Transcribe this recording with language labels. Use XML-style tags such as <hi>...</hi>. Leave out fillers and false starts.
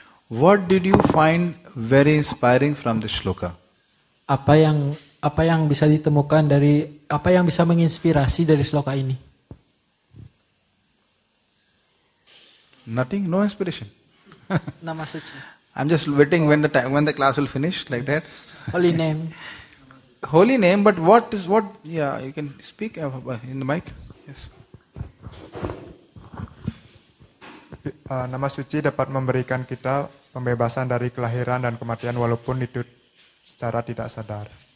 <en>What did you find very inspiring from this shloka?</en> <id>Apa yang bisa ditemukan dari, apa yang bisa menginspirasi dari shloka ini?</id> <en>Nothing, no inspiration.</en> <id>Nama suci.</id> <en>I'm just waiting when the class will finish, like that. Holy name. holy name, but what is what? Yeah, you can speak in the mic. Yes.</en> <id>Nama suci dapat memberikan kita pembebasan dari kelahiran dan kematian walaupun itu secara tidak sadar.</id>